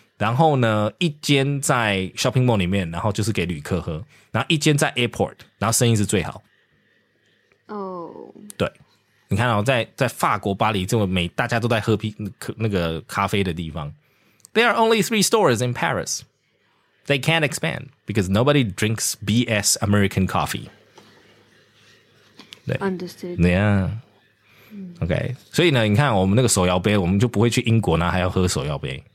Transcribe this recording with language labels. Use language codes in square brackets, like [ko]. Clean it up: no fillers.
[zh] 然后呢一间在 shopping mall 里面，然后就是给旅客喝。然后一间在 airport， 然后生意是最好。 [en] Oh. [zh] 对。你看哦，在法国巴黎这么美，大家都在喝那个咖啡的地方。 [en] There are only three stores in Paris. They can't expand because nobody drinks BS American coffee. Understood. Yeah. Okay. [zh] 所以呢，你看我们那个手摇杯，我们就不会去英国呢，还要喝手摇杯。